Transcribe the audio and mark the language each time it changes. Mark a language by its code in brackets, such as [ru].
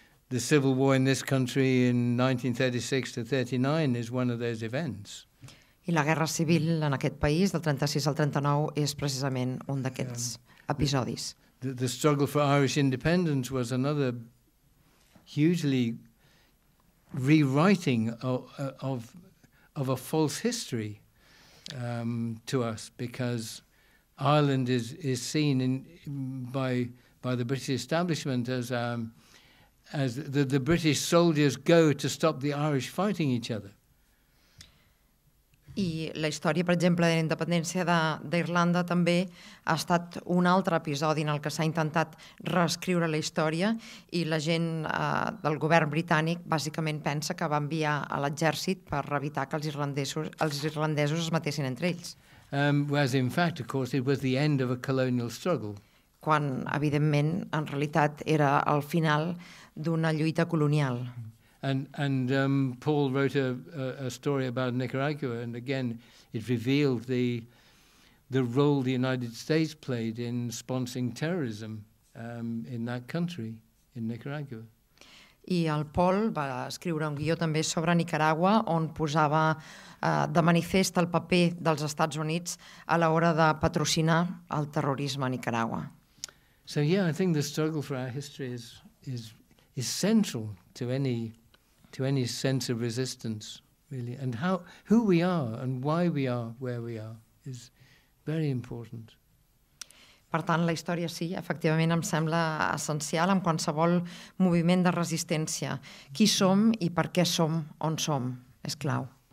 [en] The civil war in this country in 1936-39 is one of those events. [ca] I la guerra civil en aquest país del 36 al 39 és precisament un d'aquests episodis. [en] The struggle for Irish independence was another hugely rewriting of a false history to us, because Ireland is seen by the British establishment as the British soldiers go to stop the Irish fighting each other. [ca] I la història, per exemple, de la independència d'Irlanda també ha estat un altre episodi en el que s'ha intentat reescriure la història i la gent del govern britànic bàsicament pensa que va enviar a l'exèrcit per evitar que els irlandesos es matessin entre ells. [en] Whereas in fact, of course, it was the end of a colonial struggle. [ca] Quan, evidentment, en realitat era el final d'una lluita colonial. [en] And Paul wrote a story about Nicaragua, and again it revealed the role the United States played in sponsoring terrorism in that country, in Nicaragua. [ca] I el Paul va escriure un guió també sobre Nicaragua, on posava de manifest el paper dels Estats Units a l'hora de patrocinar el terrorisme a Nicaragua. [en] So yeah, I think the struggle for our history is central to any sense of resistance, really, and who we are and why we are where we are is very important. [ca] Per tant, la història sí, efectivament em sembla essencial en qualsevol moviment de resistència. Qui som i per què som on som és clau.